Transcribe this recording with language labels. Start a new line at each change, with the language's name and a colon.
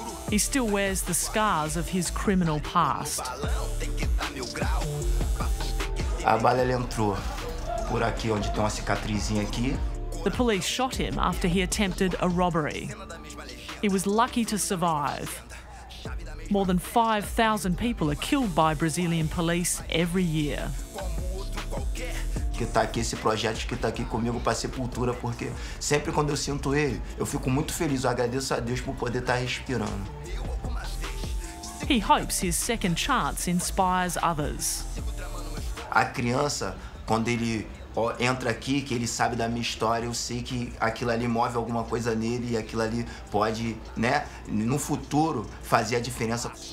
English: He still wears the scars of his criminal past.
Portuguese: A bala entrou por aqui onde tem uma cicatrizinha aqui.
English: The police shot him after he attempted a robbery. He was lucky to survive. More than 5,000 people are killed by Brazilian police every year.
Portuguese: Que tá aqui esse projeto que tá aqui comigo para sepultura, porque sempre quando eu sinto ele, eu fico muito feliz, eu agradeço a Deus por poder estar respirando.
English: He hopes his second chance inspires others.
Portuguese: A criança, quando ele entra aqui, que ele sabe da minha história, eu sei que aquilo ali move alguma coisa nele e aquilo ali pode, né, no futuro, fazer a diferença.